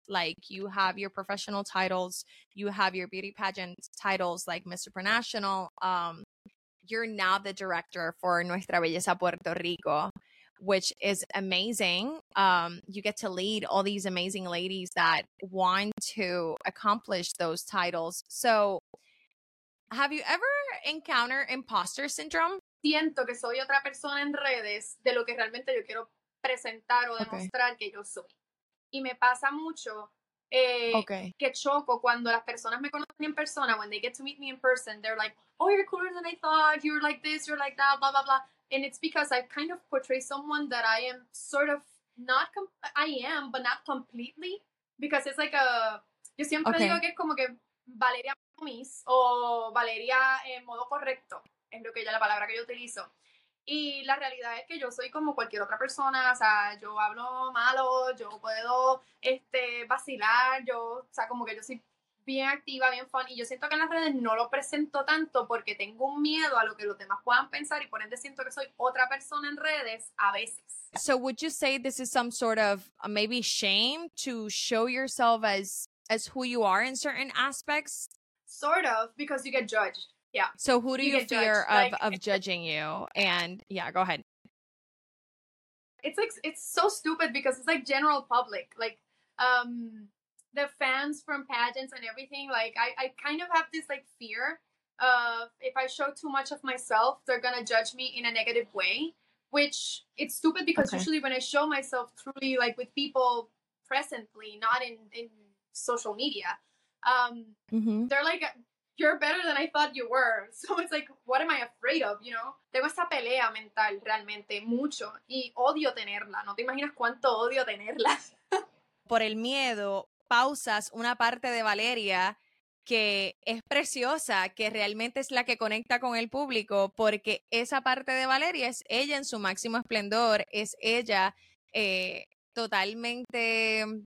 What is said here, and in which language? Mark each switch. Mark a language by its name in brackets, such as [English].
[English] Like, you have your professional titles, you have your beauty pageant titles, like Miss Supranational. You're now the director for Nuestra Belleza Puerto Rico, which is amazing. You get to lead all these amazing ladies that want to accomplish those titles. So have you ever encountered imposter syndrome? [Spanish] Siento que soy otra persona en redes de lo que realmente yo quiero presentar o demostrar que yo soy. Y me pasa mucho que choco cuando las personas me conocen en persona, [English] when they get to meet me in person, they're like, oh, you're cooler than I thought, you're like this, you're like that, blah, blah, blah. And it's because I kind of portray someone that I am sort of not, I am, but not completely. Because it's like a, [Spanish] yo siempre digo que es como que Valeria Miss o Valeria en modo correcto, es lo que ella, la palabra que yo utilizo. Y la realidad es que yo soy como cualquier otra persona, o sea, yo hablo malo, yo puedo vacilar, yo, o sea, como que yo soy bien activa, bien fun, y yo siento que en las redes no lo presento tanto porque tengo un miedo a lo que los demás puedan pensar, y por ende siento que soy otra persona en redes a veces. [English] So would you say this is some sort of maybe shame to show yourself as who you are in certain aspects? Sort of, because you get judged. Yeah. So who do you fear judged, of, like, of judging you? And yeah, go ahead. It's like, it's so stupid because it's like general public, like the fans from pageants and everything. Like I kind of have this like fear of if I show too much of myself, they're going to judge me in a negative way, which it's stupid because usually when I show myself truly, like with people presently, not in social media, they're like, you're better than I thought you were. So it's like, what am I afraid of, you know? [Spanish] Tengo esa pelea mental realmente mucho y odio tenerla. No te imaginas cuánto odio tenerla. Por el miedo, pausas una parte de Valeria que es preciosa, que realmente es la que conecta con el público, porque esa parte de Valeria es ella en su máximo esplendor, es ella totalmente...